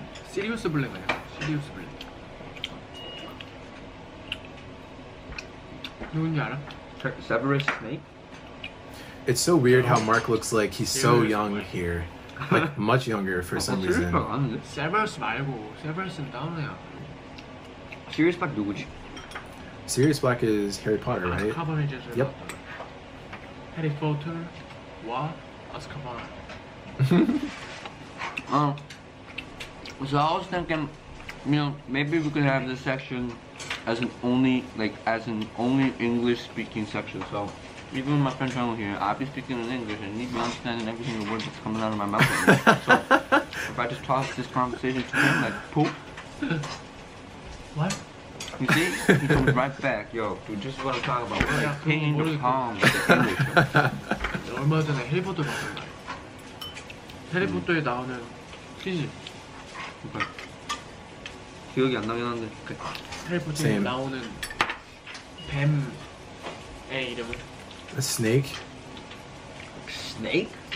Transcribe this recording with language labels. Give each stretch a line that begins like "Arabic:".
Korean: Sirius Black 아니야? Sirius Black. 누군지 알아? Severus Snape.
English: It's so weird how Mark looks like he's so young here. Like much younger for some reason.
Korean: Severus 말고 Severus는 다음이야. Sirius Black 누구지?
English: Sirius Black is Harry Potter, right?
Korean: Azkaban의 제자.
English: Yep.
Korean: Harry Potter, 와 Azkaban.
English: So I was thinking, you know, maybe we could have this section as an only, like, as an only English-speaking section. So even my friend Chang here, I'll be speaking in English, and he'd be understanding every single word that's coming out of my mouth. Right. So if I just toss this conversation to him, like, poop. What? You see? He comes right back. Yo, dude, just what I'm talking about. We're like painting the palm with the English.
Korean: 해리포터에 나오는 퀴즈 기억이 안 나긴 한데 그 해리포터에
English: Same.
Korean: 나오는 뱀의 이름은?
English: A snake? Snake?